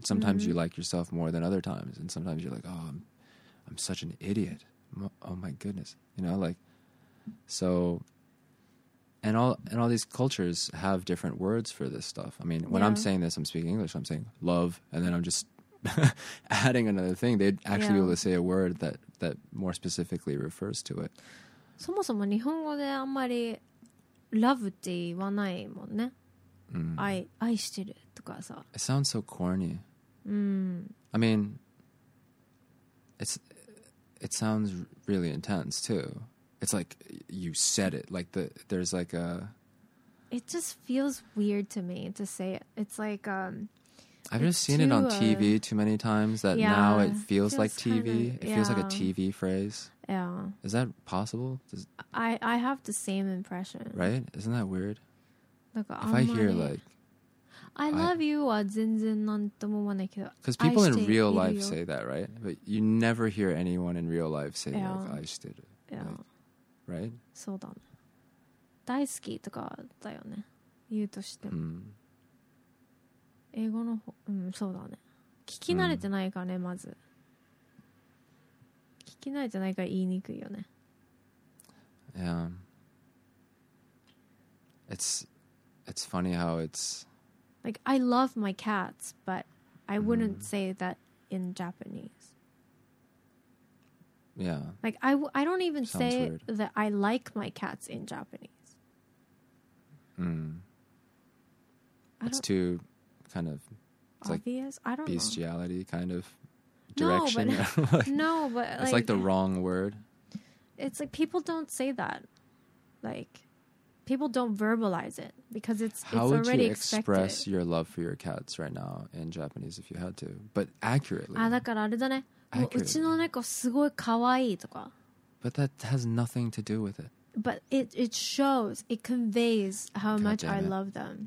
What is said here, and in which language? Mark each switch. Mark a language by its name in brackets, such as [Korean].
[English] Sometimes you like yourself more than other times, and sometimes you're like, oh, I'm such an idiot. Oh my goodness. You know, like, so, and all these cultures have different words for this stuff. I mean, when I'm saying this, I'm speaking English, I'm saying love, and then I'm just adding another thing. They'd actually be able to say a word that more specifically refers to it. [Japanese] そもそも日本語であんまり love って言わないもんね。愛してるとかさ [English] It sounds so corny I mean It sounds really intense too It's like you said it Like there's like a It just feels weird to me to say it It's like I've just seen it on TV too many times That now it feels like TV kinda, It feels like a TV phrase Yeah. Is that possible? I have the same impression Right? Isn't that weird? If I hear like I love you [Japanese] は全然なんとも思わないけど [English] Because people in real life say that, right? But you never hear anyone in real life say like [Japanese] 愛してる [English] Right? [Japanese] そうだね大好きとかだよね言うとしても英語の方そうだね聞き慣れてないからねまず聞き慣れてないから言いにくいよね [English] Yeah It's funny how it's... Like, I love my cats, but I wouldn't say that in Japanese. Yeah. Like, I don't even Sounds say weird. That I like my cats in Japanese. It's too kind of... It's obvious? Like I don't bestiality Bestiality kind of direction. No, but... like, no, but it's like the wrong word. It's like people don't say that. Like... People don't verbalize it because it's already expected. How would you express your love for your cats right now in Japanese if you had to? But accurately. [Japanese] あ、だからあれだね。うちの猫すごい可愛いとか。 [English] But that has nothing to do with it. But it shows, it conveys how much I love them.